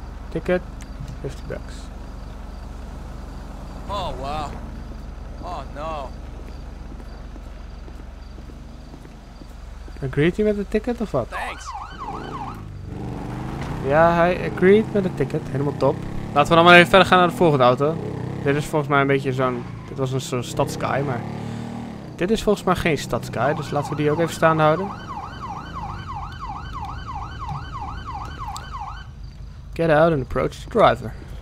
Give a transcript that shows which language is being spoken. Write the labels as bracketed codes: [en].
[en] Ticket, $50. Oh wow. Oh no. Agreed you with the ticket or what? Thanks. Yeah, he agreed with the ticket. [nl] Helemaal top. Laten we dan maar even verder gaan naar de volgende auto. Dit is volgens mij een beetje zo'n... Dit was een soort stadsky, maar... Dit is volgens mij geen stadsky, dus laten we die ook even staan houden. [en] Get out and approach the driver.